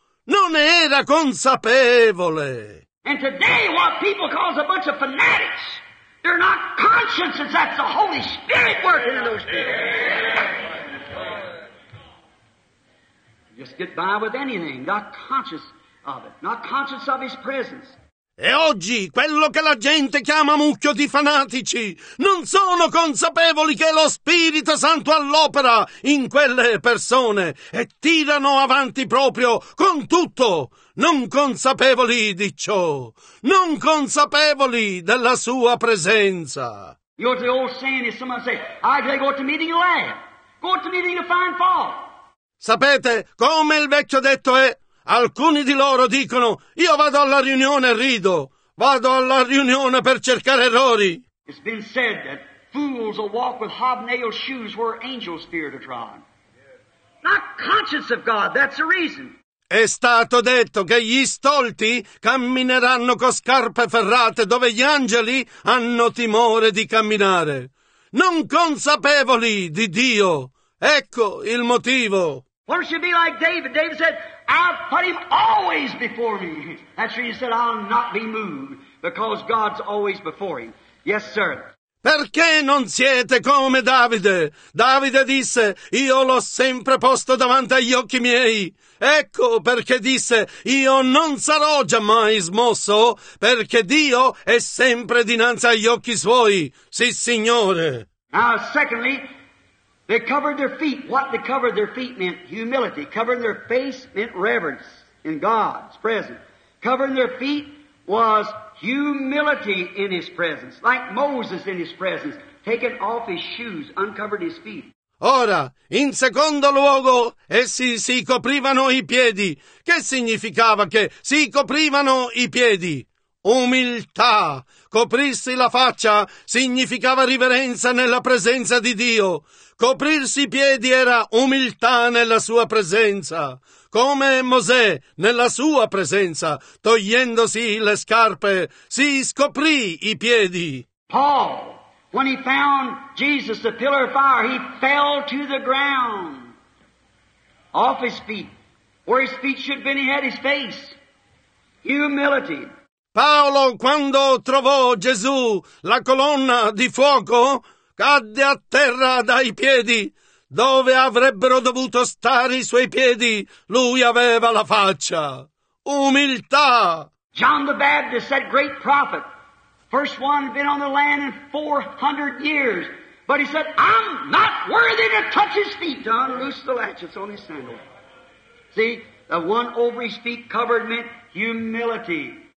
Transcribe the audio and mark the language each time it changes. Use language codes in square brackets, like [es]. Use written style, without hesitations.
[it] Non era consapevole. [en] And today what people call a bunch of fanatics, they're not conscious, that's the Holy Spirit working in those people. Just get by with anything, not conscious. Not conscious of his presence. [it] E oggi quello che la gente chiama mucchio di fanatici non sono consapevoli che è lo Spirito Santo all'opera in quelle persone e tirano avanti proprio con tutto, non consapevoli di ciò, non consapevoli della sua presenza. [en] You know the old saying is someone say, I'd go to meeting you laugh, go to meeting you find fault. [it] Sapete come il vecchio detto è? Alcuni di loro dicono, io vado alla riunione e rido, vado alla riunione per cercare errori. [en] It's been said that fools will walk with hobnailed shoes where angels fear to trod. Not conscious of God, that's the reason. [it] È stato detto che gli stolti cammineranno con scarpe ferrate dove gli angeli hanno timore di camminare. Non consapevoli di Dio. Ecco il motivo. [en] Why don't you be like David? David said, I've put him always before me. That's why he said, I'll not be moved, because God's always before him. Yes, sir. [it] Perché non siete come Davide? Davide disse, io l'ho sempre posto davanti agli occhi miei. Ecco perché disse, io non sarò giammai smosso, perché Dio è sempre dinanzi agli occhi suoi. Sì, Signore. [en] Now, secondly, they covered their feet. What they covered their feet meant humility. Covering their face meant reverence in God's presence. Covering their feet was humility in his presence, like Moses in his presence, taking off his shoes, uncovered his feet. [it] Ora, in secondo luogo, essi si coprivano i piedi. Che significava che si coprivano i piedi? Umiltà. Coprirsi la faccia significava riverenza nella presenza di Dio. Coprirsi i piedi era umiltà nella sua presenza, come Mosè nella sua presenza, togliendosi le scarpe, si scoprì i piedi. [en] Paul, when he found Jesus, the pillar of fire, he fell to the ground, off his feet, where his feet should have been, he had his face, humility. [it] Paolo, quando trovò Gesù, la colonna di fuoco, cadde a terra dai piedi. Dove avrebbero dovuto stare i suoi piedi, lui aveva la faccia. Umiltà! [en] John the Baptist, that great prophet, first one had been on the land in 400 years, but he said, I'm not worthy to touch his feet, to unloose the latches on his sandal. See, the one over his feet covered meant humility.